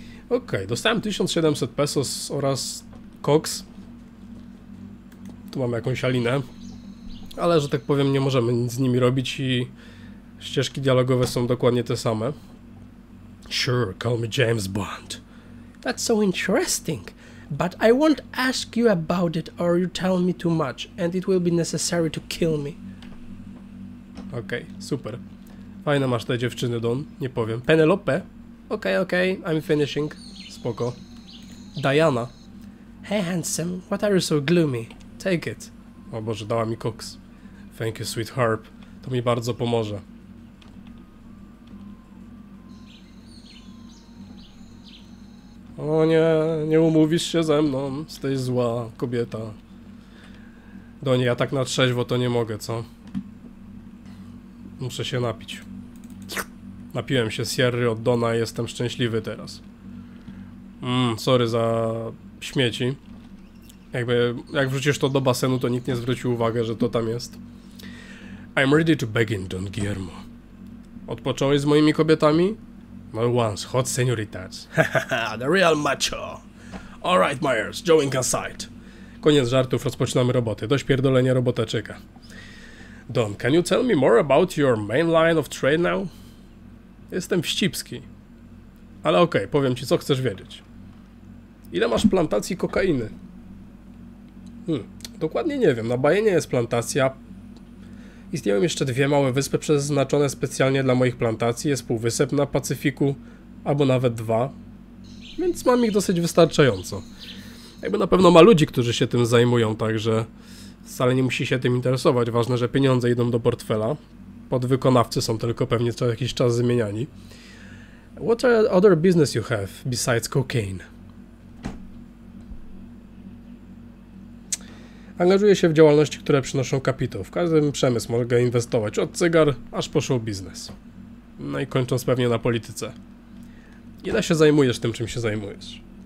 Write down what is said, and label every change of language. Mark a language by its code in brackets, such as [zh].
[pl] Okej, dostałem 1700 pesos oraz koks. Tu mam jakąś alinę. Ale, że tak powiem, nie możemy nic z nimi robić i ścieżki dialogowe są dokładnie te same. [en] Sure, call me James Bond. That's so interesting. But I won't ask you about it or you tell me too much and it will be necessary to kill me. [pl] Okej, okay, super. Fajne masz te dziewczyny, Don. Nie powiem. Penelope? [en] Okej, okej, I'm finishing. [pl] Spoko. Diana? [en] Hey, handsome, what are you so gloomy? Take it. [pl] O Boże, dała mi koks. [en] Thank you, sweetheart. [pl] To mi bardzo pomoże. O nie, nie umówisz się ze mną. Jesteś zła kobieta. Do niej, ja tak na trzeźwo to nie mogę, co? Muszę się napić. Napiłem się Sierry od Dona i jestem szczęśliwy teraz. Sorry za śmieci. Jakby, jak wrzucisz to do basenu, to nikt nie zwrócił uwagi, że to tam jest. [en] I'm ready to begin, Don Guillermo. [pl] Odpocząłeś z moimi kobietami? [en] Not once, hot senoritas. The real macho. Alright, Myers, going inside. [pl] Koniec żartów, rozpoczynamy roboty. Dość pierdolenia robota czeka. [en] Don, can you tell me more about your main line of trade now? [pl] Jestem wścibski. Ale okej, powiem ci, co chcesz wiedzieć. Ile masz plantacji kokainy? Dokładnie nie wiem. Na Bajenie jest plantacja. Istnieją jeszcze dwie małe wyspy przeznaczone specjalnie dla moich plantacji. Jest półwysep na Pacyfiku, albo nawet dwa. Więc mam ich dosyć wystarczająco. Jakby na pewno ma ludzi, którzy się tym zajmują, także wcale nie musi się tym interesować. Ważne, że pieniądze idą do portfela. Podwykonawcy są tylko pewnie co jakiś czas zmieniani. [en] What are other business you have besides cocaine? [pl] Angażuję się w działalności, które przynoszą kapitał. W każdym przemysł mogę inwestować, od cygar, aż po show biznes. No i kończąc pewnie na polityce. Ile się zajmujesz tym, czym się zajmujesz?